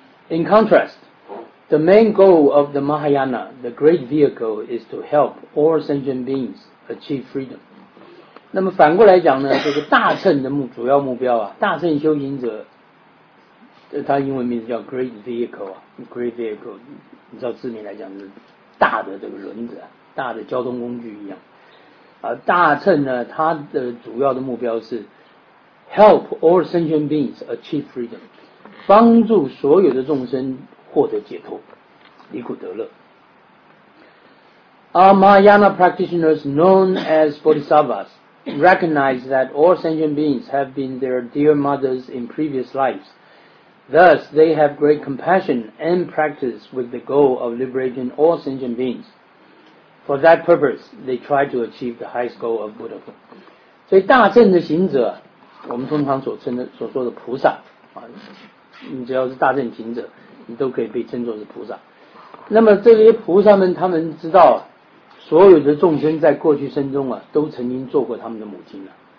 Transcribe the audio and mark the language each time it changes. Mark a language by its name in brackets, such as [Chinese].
[English] In contrast, the main goal of the Mahayana, the great vehicle, is to help all sentient beings achieve freedom。 [Chinese] 那么反过来讲呢，这个大乘的主要目标啊，大乘修行者。它英文名字叫 Great Vehicle 啊 ，Great Vehicle， 你知道字面来讲是大的这个轮子，大的交通工具一样。大乘呢，它的主要的目标是 Help all sentient beings achieve freedom，帮助所有的众生获得解脱，离苦得乐。 [English] Our Mahayana practitioners, known as Bodhisattvas, recognize that all sentient beings have been their dear mothers in previous lives. Thus, they have great compassion and practice with the goal of liberating all sentient beings. For that purpose, they try to achieve the highest goal of Buddhahood. [Chinese] 所以大乘的行者，我们通常所说的菩萨，啊，你只要是大乘行者，你都可以被称作是菩萨。那么这些菩萨们，他们知道，所有的众生在过去生中啊，都曾经做过他们的母亲了。